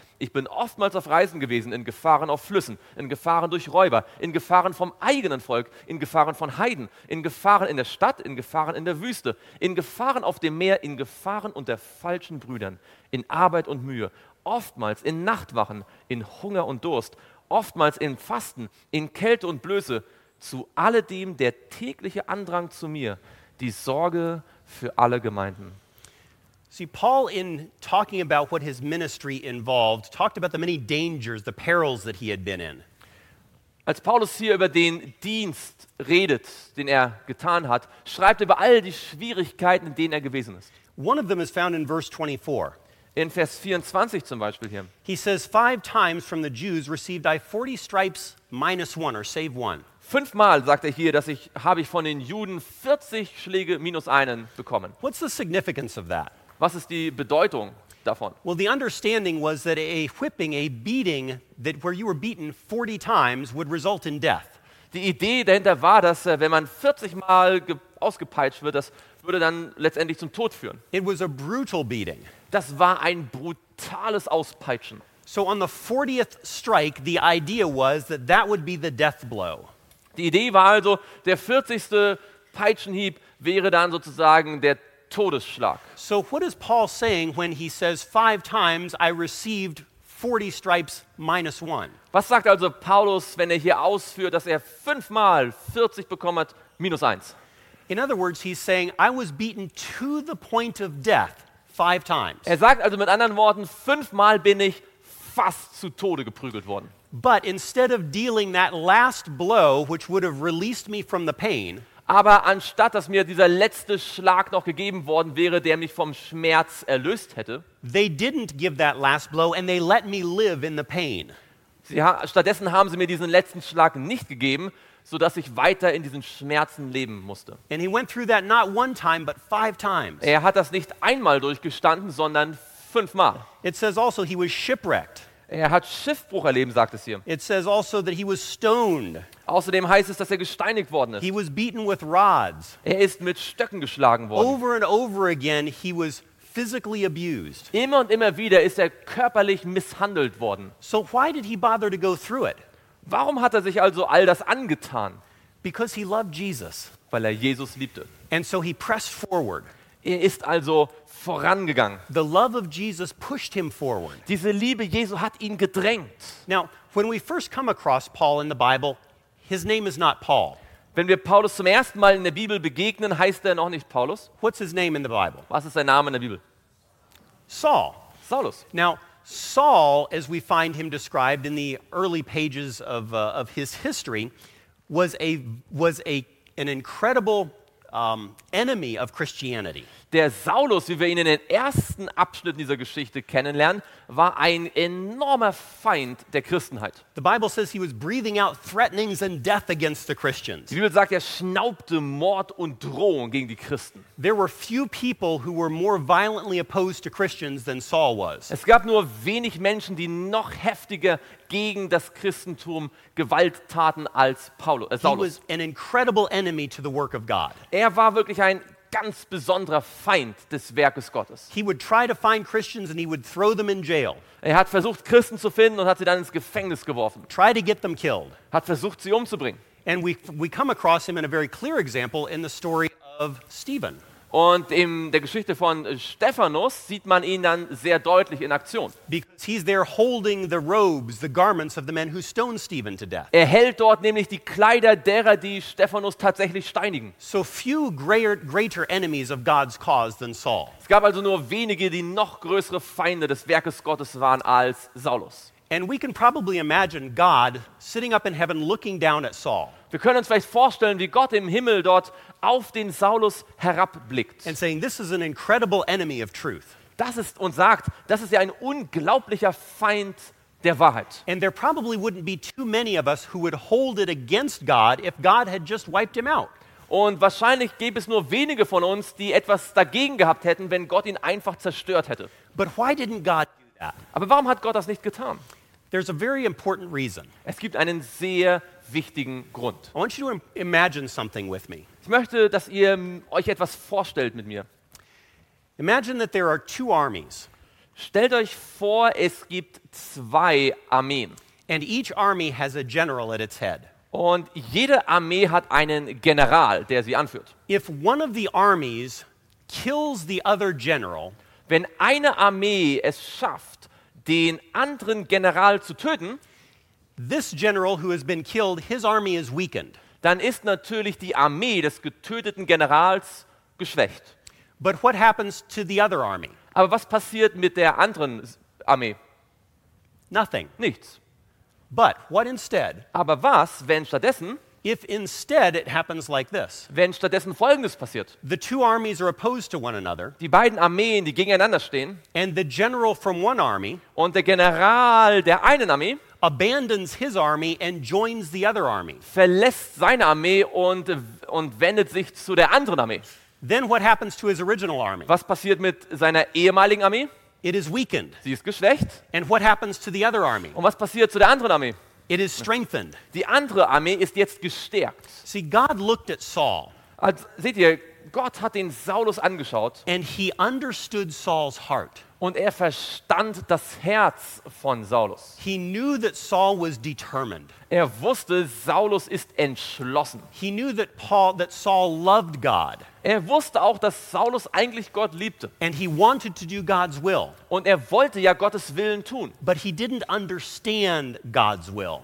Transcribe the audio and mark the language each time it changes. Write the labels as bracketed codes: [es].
[de] Ich bin oftmals auf Reisen gewesen, in Gefahren auf Flüssen, in Gefahren durch Räuber, in Gefahren vom eigenen Volk, in Gefahren von Heiden, in Gefahren in der Stadt, in Gefahren in der Wüste, in Gefahren auf dem Meer, in Gefahren unter falschen Brüdern, in Arbeit und Mühe, oftmals in Nachtwachen, in Hunger und Durst, oftmals in Fasten, in Kälte und Blöße. Zu alledem der tägliche Andrang zu mir, die Sorge für alle Gemeinden. [en] See, Paul, in talking about what his ministry involved, talked about the many dangers, the perils that he had been in. [de] Als Paulus hier über den Dienst redet, den er getan hat, schreibt über all die Schwierigkeiten, in denen er gewesen ist. [en] One of them is found in verse 24. [de] In Vers 24 zum Beispiel hier. [en] He says, 5 times from the Jews received I 40 stripes minus one, or save one. [de] 5x sagt er hier, dass ich habe ich von den Juden 40 Schläge minus einen bekommen. [en] What's the significance of that? [de] Was ist die Bedeutung davon? [en] Well, the understanding was that a whipping, a beating, that where you were beaten 40 times would result in death. [de] Die Idee dahinter war, dass wenn man 40x ausgepeitscht wird, das würde dann letztendlich zum Tod führen. [en] It was a brutal beating. [de] Das war ein brutales Auspeitschen. [en] So on the 40th strike, the idea was that that would be the death blow. [de] Die Idee war also, der 40. Peitschenhieb wäre dann sozusagen der Todesschlag. [en] So what is Paul saying when he says 5 times I received 40 stripes minus one? [de] Was sagt also Paulus, wenn er hier ausführt, dass er 5x 40 bekommen hat minus 1? [en] In other words, he's saying I was beaten to the point of death 5 times. [de] Er sagt also mit anderen Worten, 5x bin ich fast zu Tode geprügelt worden. [en] But instead of dealing that last blow, which would have released me from the pain, [de] aber anstatt dass mir dieser letzte Schlag noch gegeben worden wäre, der mich vom Schmerz erlöst hätte, [en] they didn't give that last blow and they let me live in the pain. [de] Stattdessen haben sie mir diesen letzten Schlag nicht gegeben, so dass ich weiter in diesen Schmerzen leben musste. [en] And he went through that not one time, but 5 times. [de] Er hat das nicht einmal durchgestanden, sondern 5x. [en] It says also he was shipwrecked. [de] Er hat Schiffbruch erlebt, sagt es hier. [en] It says also that he was stoned. [de] Außerdem heißt es, dass er gesteinigt worden ist. [en] He was beaten with rods. [de] Er ist mit Stöcken geschlagen worden. [en] Over and over again he was physically abused. [de] Immer und immer wieder ist er körperlich misshandelt worden. [en] So why did he bother to go through it? [de] Warum hat er sich also all das angetan? [en] Because he loved Jesus. [de] Weil er Jesus liebte. [en] And so he pressed forward. [de] Er ist also vorangegangen. [en] The love of Jesus pushed him forward. [de] Diese Liebe Jesu hat ihn gedrängt. [en] Now, when we first come across Paul in the Bible, his name is not Paul. [de] Wenn wir Paulus zum ersten Mal in der Bibel begegnen, heißt er noch nicht Paulus. [en] What's his name in the Bible? [de] Was ist sein Name in der Bibel? [en] Saul. [de] Saulus. [en] Now, Saul, as we find him described in the early pages of his history, was an incredible enemy of Christianity. [de] Der Saulus, wie wir ihn in den ersten Abschnitten dieser Geschichte kennenlernen, war ein enormer Feind der Christenheit. [en] The Bible says he was breathing out threatenings and death against the Christians. [de] Die Bibel sagt, er schnaubte Mord und Drohung gegen die Christen. [en] There were few people who were more violently opposed to Christians than Saul was. [de] Es gab nur wenig Menschen, die noch heftiger gegen das Christentum Gewalttaten als Paulus. [en] He was an incredible enemy to the work of God. [de] Er war wirklich ein ganz besonderer Feind des Werkes Gottes. [en] He would try to find Christians and he would throw them in jail. [de] Er hat versucht Christen zu finden und hat sie dann ins Gefängnis geworfen. [en] Try to get them killed. [de] Hat versucht sie umzubringen. [en] And we come across him in a very clear example in the story of Stephen. [de] Und in der Geschichte von Stephanus sieht man ihn dann sehr deutlich in Aktion. [en] Because he's there holding the robes, the garments of the men who stoned Stephen to death. [de] Er hält dort nämlich die Kleider derer, die Stephanus tatsächlich steinigen. [en] So few greater enemies of God's cause than Saul. [de] Es gab also nur wenige, die noch größere Feinde des Werkes Gottes waren als Saulus. [en] And we can probably imagine God sitting up in heaven looking down at Saul. [de] Wir können uns vielleicht vorstellen, wie Gott im Himmel dort auf den Saulus herabblickt. [en] And saying, this is an incredible enemy of truth. [de] Das ist und sagt, das ist ja ein unglaublicher Feind der Wahrheit. [en] And there probably wouldn't be too many of us who would hold it against God if God had just wiped him out. [de] Und wahrscheinlich gäbe es nur wenige von uns, die etwas dagegen gehabt hätten, wenn Gott ihn einfach zerstört hätte. [en] But why didn't God [de] Aber warum hat Gott das nicht getan? [en] There's a very important reason. [de] Es gibt einen sehr wichtigen Grund. [en] I want you to imagine something with me. [de] Ich möchte, dass ihr euch etwas vorstellt mit mir. [en] Imagine that there are two armies. [de] Stellt euch vor, es gibt zwei Armeen. [en] And each army has a general at its head. [de] Und jede Armee hat einen General, der sie anführt. [en] If one of the armies kills the other general, [de] wenn eine Armee es schafft, den anderen General zu töten, [en] this general who has been killed, his army is weakened. [de] Dann ist natürlich die Armee des getöteten Generals geschwächt. [en] But what happens to the other army? [de] Aber was passiert mit der anderen Armee? [en] Nothing. [de] Nichts. [en] But what instead? [de] Aber was, wenn stattdessen? [en] If instead it happens like this. [de] Wenn stattdessen Folgendes passiert. [en] The two armies are opposed to one another. [de] Die beiden Armeen, die gegeneinander stehen. [en] And the general from one army. [de] Und der General der einen Armee. [en] Abandons his army and joins the other army. [de] Verlässt seine Armee und wendet sich zu der anderen Armee. [en] Then what happens to his original army? [de] Was passiert mit seiner ehemaligen Armee? [en] It is weakened. [de] Sie ist geschwächt. [en] And what happens to the other army? [de] Und was passiert zu der anderen Armee? [en] It is strengthened. [de] Die andere Armee ist jetzt gestärkt. [en] See, God looked at Saul. [de] Seht ihr, Gott hat den Saulus angeschaut. [en] And he understood Saul's heart. [de] Und er verstand das Herz von Saulus. [en] He knew that Saul was determined. [de] Er wusste, Saulus ist entschlossen. [en] He knew that Saul loved God. [de] Er wusste auch, dass Saulus eigentlich Gott liebte. [en] And he wanted to do God's will. [de] Und er wollte ja Gottes Willen tun. [en] But he didn't understand God's will.